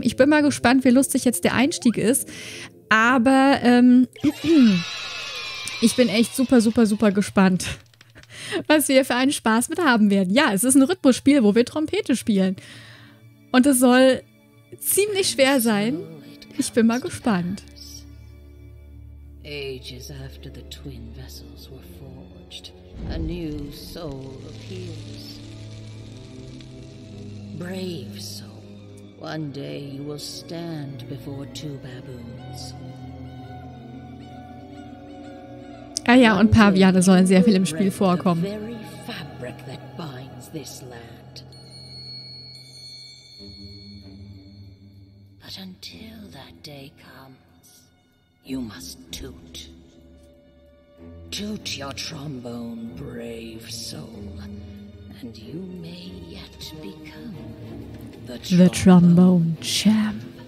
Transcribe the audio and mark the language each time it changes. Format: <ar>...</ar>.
<de>Ich bin mal gespannt, wie lustig jetzt der Einstieg ist, aber ich bin echt super, super, super gespannt, was wir für einen Spaß mit haben werden. Ja, es ist ein Rhythmusspiel, wo wir Trompete spielen und es soll ziemlich schwer sein. Ich bin mal gespannt.</de> <en>Ages after the twin vessels were forged, a new soul appears. Brave soul, one day you will stand before two baboons.</en> <de>Ah ja, und Paviane sollen sehr viel im Spiel vorkommen.</de> <en>The very fabric that binds this land. But until that day comes, you must toot. Toot your trombone, brave soul, and you may yet become the trombone champ.</en>